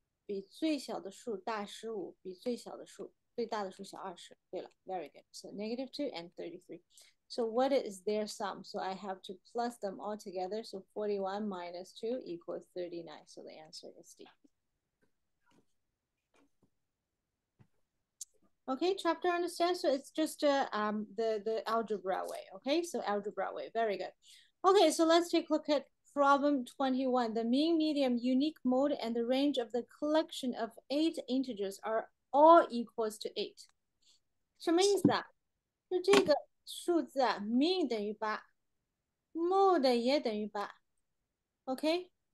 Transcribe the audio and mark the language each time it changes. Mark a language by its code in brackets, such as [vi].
[zh] 比最小的数大15, 比最小的数,最大的数小20, 对了, [en] very good. So negative 2 and 33. So what is their sum? So I have to plus them all together. So 41 minus 2 equals 39. So the answer is D. Okay, chapter understand? So it's just the algebra way. Okay, so algebra way, very good. Okay, so let's take a look at problem 21, the mean, median, unique mode, and the range of the collection of 8 integers are all equals to 8. [zh] 什么意思啊?就这个数字啊, mean 等于8, mode 也等于8, okay?